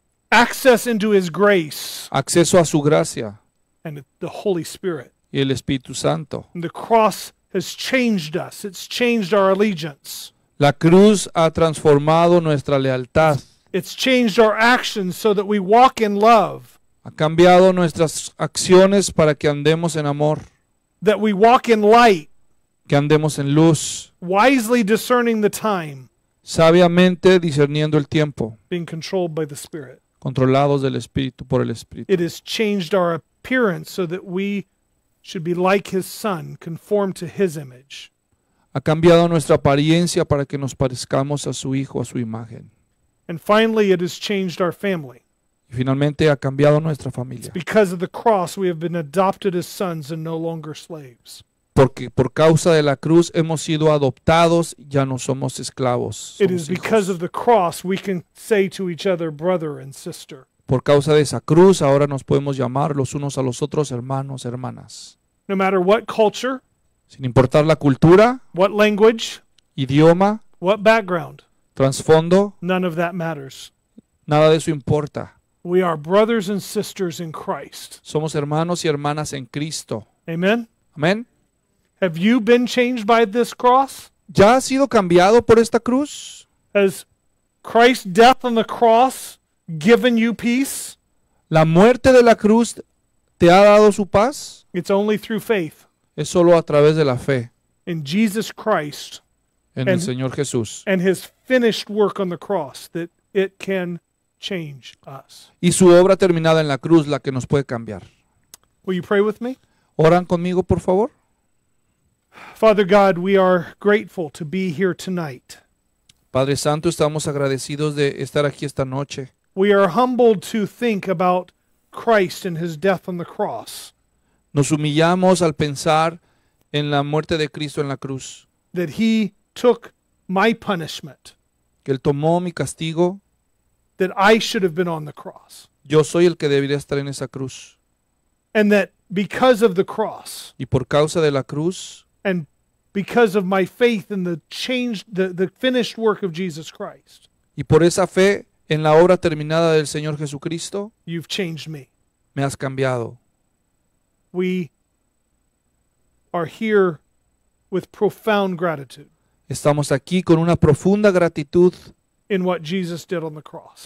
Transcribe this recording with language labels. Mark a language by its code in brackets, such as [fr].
[en] Access into his grace. [es] Acceso a su gracia. [en] And the Holy Spirit. [es] Y el Espíritu Santo. [en] And the cross has changed us. It's changed our allegiance. [es] La cruz ha transformado nuestra lealtad. [en] It's changed our actions so that we walk in love. [es] Ha cambiado nuestras acciones para que andemos en amor. [en] That we walk in light. [es] Que andemos en luz. [en] Wisely discerning the time. [es] Sabiamente discerniendo el tiempo. [en] Being controlled by the Spirit. [es] Controlados del Espíritu, por el Espíritu. [en] It has changed our appearance so that we should be like his son, conformed to his image. [es] Ha cambiado nuestra apariencia para que nos parezcamos a su hijo, a su imagen. [en] And finally, it has changed our family. [es] Y finalmente ha cambiado nuestra familia. [en] It's because of the cross we have been adopted as sons and no longer slaves. [es] Porque por causa de la cruz hemos sido adoptados, ya no somos esclavos. [en] It is because of the cross we can say to each other, brother and sister. [es] Por causa de esa cruz, ahora nos podemos llamar los unos a los otros hermanos, hermanas. [en] No matter what culture, [es] sin importar la cultura, [en] what language, [es] idioma, [en] what background, [es] trasfondo, [en] none of that matters. [es] Nada de eso importa. [en] We are brothers and sisters in Christ. [es] Somos hermanos y hermanas en Cristo. [en] Amen. [es] Amen. [en] Have you been changed by this cross? [es] ¿Ya has sido cambiado por esta cruz? [en] Has Christ's death on the cross given you peace? [es] La muerte de la cruz te ha dado su paz. [en] It's only through faith. [es] Es solo a través de la fe. [en] In Jesus Christ. [es] En el Señor Jesús. [en] And his finished work on the cross that it can change us. [es] Y su obra terminada en la cruz la que nos puede cambiar. [en] Will you pray with me? [es] Oran conmigo, por favor. [en] Father God, we are grateful to be here tonight. [es] Padre Santo, estamos agradecidos de estar aquí esta noche. [en] We are humbled to think about Christ and his death on the cross. [es] Nos humillamos al pensar en la muerte de Cristo en la cruz. [en] That he took my punishment. [es] Que él tomó mi castigo. [en] That I should have been on the cross. [es] Yo soy el que debería estar en esa cruz. [en] And that because of the cross. [es] Y por causa de la cruz. [en] And because of my faith in the changed, the finished work of Jesus Christ. [es] Y por esa fe en la obra terminada del Señor Jesucristo. [en] You've changed me. [es] Me has cambiado. [en] We are here with profound gratitude. [es] Estamos aquí con una profunda gratitud. [en] In what Jesus did on the cross.